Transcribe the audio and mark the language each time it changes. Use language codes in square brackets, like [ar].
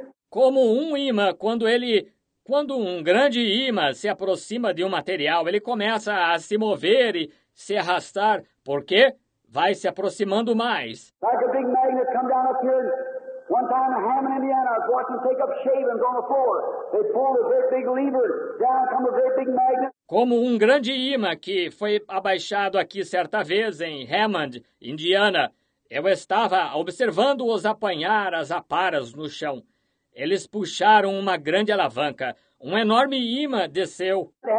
[pt] Como um ímã, quando um grande ímã se aproxima de um material, ele começa a se mover e se arrastar. Por quê? Vai se aproximando mais. [en] Like a big magnet come down up here. One time in Hammond, Indiana, I was watching take up shavings on the floor. They pulled a great big lever. Down come a great big magnet. [pt] Como um grande ímã que foi abaixado aqui certa vez em Hammond, Indiana, eu estava observando-os apanhar as aparas no chão. Eles puxaram uma grande alavanca. Um enorme ímã desceu.